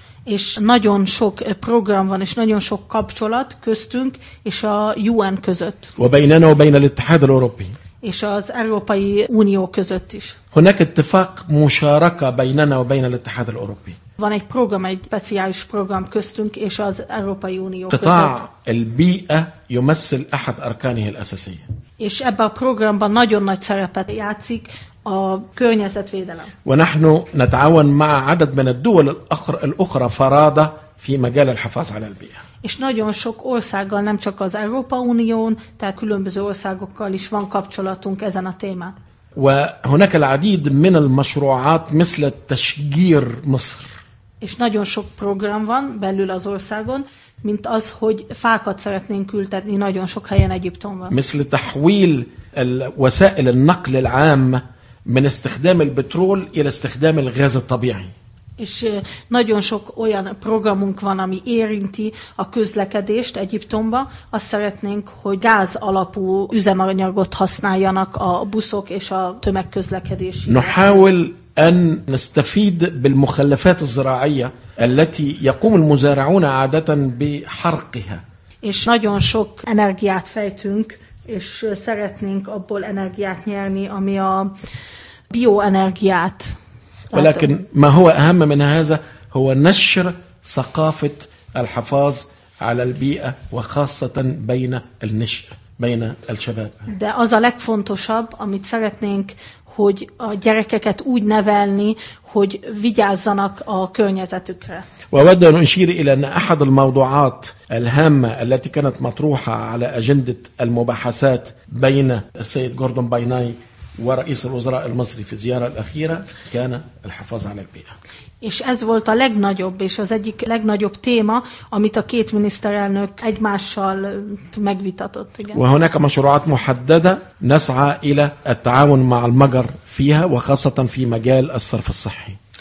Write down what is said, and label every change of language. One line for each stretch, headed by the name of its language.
Hungarian: És nagyon sok program van, és nagyon sok kapcsolat köztünk és a UN között.
Arabic: وبيننا وبين الاتحاد الأوروبي.
Hungarian: És az Európai Unió között is.
Arabic: هناك اتفاق مشاركة بيننا وبين الاتحاد الأوروبي.
Hungarian: Van egy program, egy speciális program köztünk és az Európai Unió
Arabic: قطاع
Hungarian: között.
Arabic: البيئة يمثل أحد أركانه الأساسية.
Hungarian: És ebben a programban nagyon nagy szerepet játszik a környezetvédelem.
Arabic: ونحن نتعاون مع عدد من الدول الأخرى فرادة في مجال الحفاظ على البيئة.
Hungarian: És nagyon sok országgal, nem csak az Európa Unión, tehát különböző országokkal is van kapcsolatunk ezen a témán.
Arabic: وهناك العديد من المشروعات مثل تشجير مصر.
Hungarian: És nagyon sok program van belül az országon, mint az, hogy fákat szeretnénk ültetni nagyon sok helyen Egyiptomban.
Arabic: مثل تحويل وسائل النقل العام من استخدام البترول إلى استخدام الغاز الطبيعي.
Hungarian: És nagyon sok olyan programunk van, ami érinti a közlekedést Egyiptomba. Azt szeretnénk, hogy gáz alapú üzemanyagot használjanak a buszok és a tömegközlekedés.
Arabic: نحاول أن نستفيد بالمخلفات الزراعية التي يقوم المزارعون عادة بحرقها.
Hungarian: És nagyon sok energiát fejtünk, és szeretnénk abból energiát nyerni, ami a bioenergiát.
Arabic: ولكن ما هو أهم من هذا هو نشر ثقافة الحفاظ على البيئة وخاصة بين النشء بين الشباب.
Hungarian: De az a legfontosabb, amit szeretnénk, hogy a gyerekeket úgy nevelni, hogy vigyázzanak a környezetükre.
Arabic: وأود أن أشير إلى أن أحد الموضوعات الهامة التي كانت مطروحة على أجندة المباحثات بين السيد جوردون بايناي ورئيس الوزراء المصري في الزيارة الأخيرة كان الحفاظ على البيئة.
Hungarian: És ez volt a legnagyobb, és az egyik legnagyobb téma, amit a két miniszterelnök egymással megvitatott.
Arabic: وهناك مشروعات محددة نسعى إلى التعاون مع المجر فيها وخاصة في مجال الصرف الصحي.